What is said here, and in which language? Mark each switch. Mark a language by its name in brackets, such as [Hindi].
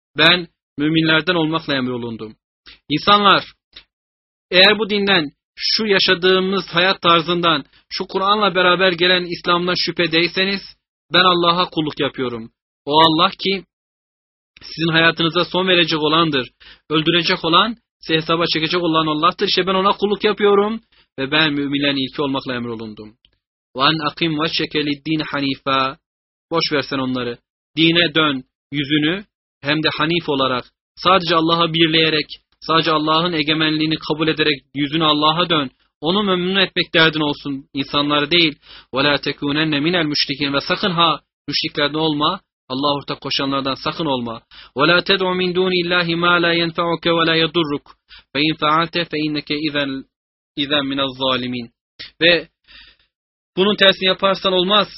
[Turkish] Ben müminlerden olmakla emrolundum. İnsanlar, eğer bu dinden, şu yaşadığımız hayat tarzından, şu Kur'an'la beraber gelen İslam'dan şüphedeyseniz, ben Allah'a kulluk yapıyorum. O Allah ki sizin hayatınıza son verecek olandır. Öldürecek olan, sizi hesaba çekecek olan Allah'tır. İşte ben ona kulluk yapıyorum ve ben müminlerin ilki olmakla emrolundum. [Arabic] وَاَنْ اَقِمْ وَشَّكَ لِدِّينِ حَن۪يفًا [Turkish] Boş versen onları. Dine dön yüzünü hem de hanif olarak sadece Allah'a birleyerek, sadece Allah'ın egemenliğini kabul ederek yüzünü Allah'a dön. Onu memnun etmek derdin olsun insanlara değil. [Arabic] وَلَا تَكُونَنَّ مِنَ الْمُشْرِكِينَ [Turkish] Ve sakın ha müşriklerden olma. Allah'a ortak koşanlardan sakın olma. [Arabic] وَلَا تَدْعُ مِنْ دُونِ اللّٰهِ مَا لَا يَنْفَعُكَ وَلَا يَدُرُّكَ فَاِنْ فَعَلْتَ فَاِنَّكَ اِذَا مِنَ الظَّالِمِينَ [Turkish] Ve bunun tersini yaparsan olmaz.